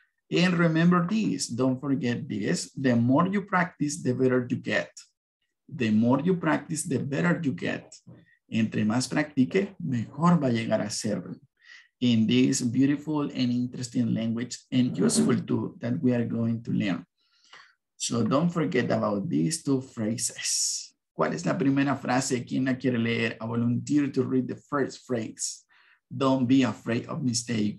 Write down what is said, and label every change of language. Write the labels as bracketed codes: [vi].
[en] And remember this, don't forget this, the more you practice, the better you get. The more you practice, the better you get. [es] Entre más practique, mejor va a llegar a ser. [en] In this beautiful and interesting language and useful too that we are going to learn. So don't forget about these two phrases. [es] ¿Cuál es la primera frase? ¿Quién la quiere leer? [en] I volunteer to read the first phrase. Don't be afraid of mistake.